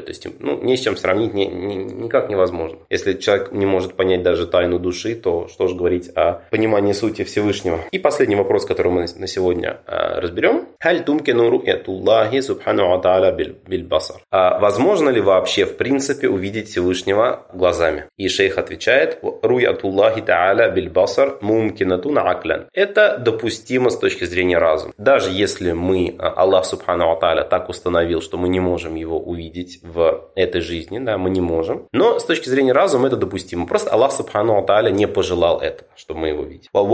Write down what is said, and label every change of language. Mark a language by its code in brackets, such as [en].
[ru] То есть, ну, ни с чем сравнить, никак невозможно. Если человек не может понять даже тайну души, то что же говорить о понимании сути Всевышнего. И последний вопрос, который мы на сегодня разберем. [ar] هَلْ تُمْكِنُ رُؤْيَةُ اللَّهِ سُبْحَانَهُ وَتَعَالَى بِالْبَصَرِ. [ru] А возможно ли вообще, в принципе, увидеть Всевышнего глазами? И шейх отвечает, [ar] رُؤْيَةُ اللَّهِ تَعَالَى بِالْبَصَرِ مُمْكِنَةٌ عَقْلًا. [ru] Это допустимо с точки зрения разума. Даже если мы, Аллах Субхану Ва Тааля так установил, что мы не можем его увидеть в этой жизни, да, мы не можем. Но с точки зрения разума это допустимо. Просто Аллах Субхану Ва Тааля не пожелал этого, чтобы мы его видели.